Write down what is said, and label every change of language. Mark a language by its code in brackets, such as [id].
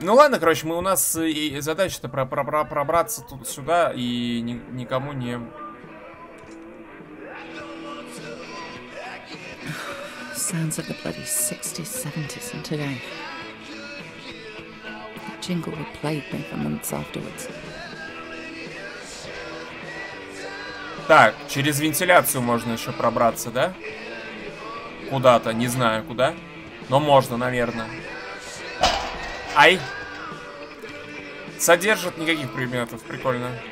[ru] Ну ладно, короче, мы у нас и задача-то пробраться туда-сюда и никому не... [en] Sounds like the bloody 60s, 70s and today. That jingle would play me for months afterwards. [ru] Так, через вентиляцию можно еще пробраться, да? Куда-то, не знаю куда. Но можно, наверное. Ай! содержит никаких предметов. Прикольно.